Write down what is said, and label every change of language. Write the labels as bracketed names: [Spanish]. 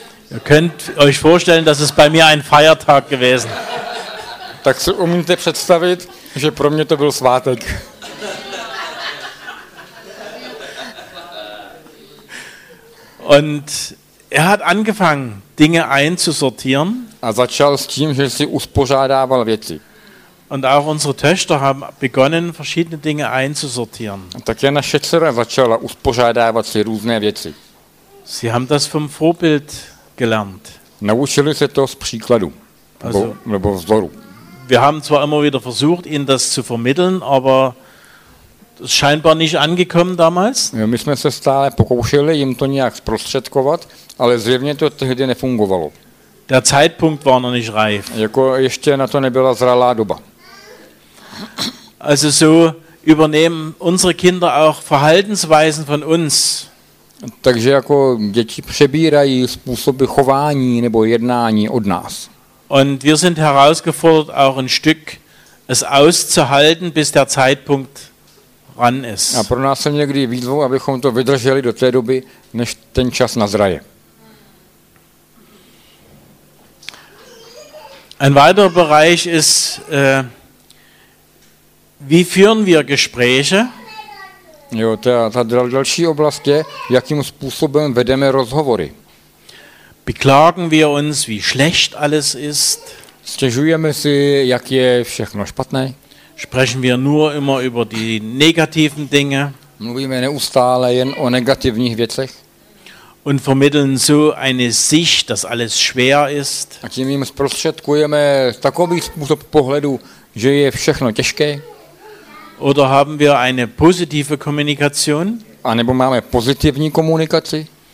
[German] Ihr könnt euch vorstellen, dass es bei mir ein Feiertag gewesen. [Czech] Tak si umíte představit, že pro mě to byl svátek. [German] Und Er hat angefangen, Dinge einzusortieren. [Czech] A začal s tím, že si uspořádával věci. [German] Und auch unsere Töchter haben begonnen, verschiedene Dinge einzusortieren. [Czech] Také naše dcera začala uspořádávat si různé věci. [German] Sie haben das vom Vorbild gelernt. [Czech] Naučili se to z příkladu, nebo vzoru. [German] Wir haben zwar immer wieder versucht, ihnen das zu vermitteln, aber das ist scheinbar nicht angekommen damals. [Czech] Jo, my jsme se stále pokoušeli jim to nějak zprostředkovat, ale zjevně to tehdy nefungovalo. [German] Der Zeitpunkt war noch nicht reif. [Czech] Jako ještě na to nebyla zralá doba. [German] Also so übernehmen unsere Kinder auch Verhaltensweisen von uns. [Czech] Takže jako děti přebírají způsoby chování nebo jednání od nás. [German] Und wir sind herausgefordert, auch ein Stück es auszuhalten, bis der Zeitpunkt ran ist. [Czech] A pro nás je někdy výzvou, abychom to vydrželi do té doby, než ten čas nazraje. [German] Ein weiterer Bereich ist, wie führen wir Gespräche? [Czech] Jo, ta další oblast je, jakým způsobem vedeme rozhovory. [German] Beklagen wir uns, wie schlecht alles ist? [Czech] Stěžujeme si, jak je všechno špatné? [German] Sprechen wir nur immer über die negativen Dinge? [Czech] Mluvíme neustále jen o negativních věcech? [German] Und vermitteln so eine Sicht, dass alles schwer ist? [Czech] A tím jim zprostředkujeme takový způsob pohledu, že je všechno těžké? [German] Oder haben wir eine positive Kommunikation? [Czech] A nebo máme pozitivní komunikaci?